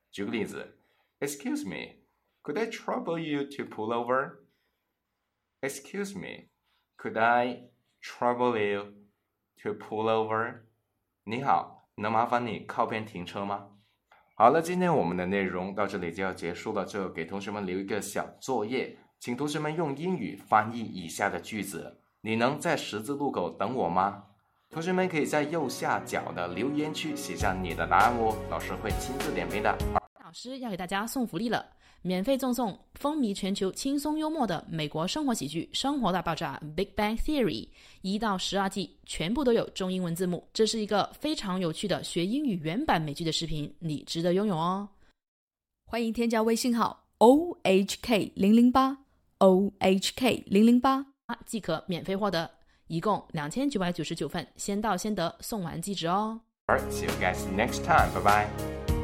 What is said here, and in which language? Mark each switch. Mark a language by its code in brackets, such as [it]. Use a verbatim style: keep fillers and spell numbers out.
[zh] 举个例子 [en] ，Excuse me, could I trouble you to pull over? Excuse me, could I trouble you to pull over? [zh] 你好，能麻烦你靠边停车吗？好了，今天我们的内容到这里就要结束了，最后给同学们留一个小作业，请同学们用英语翻译以下的句子。你能在十字路口等我吗？同学们可以在右下角的留言区写下你的答案哦，老师会亲自点评的。老师要给大家送福利了，免费赠送风靡全球轻松幽默的美国生活喜剧《生活大爆炸》Big Bang Theory 一到十二季全部都有中英文字幕，这是一个非常有趣的学英语原版美剧的视频，你值得拥有哦。欢迎添加微信号 O H K 零零八 O H K 零零八即可免费获得，一共两千九百九十九份，先到先得，送完即止哦。 [en] Alright, see you guys next time. Bye bye.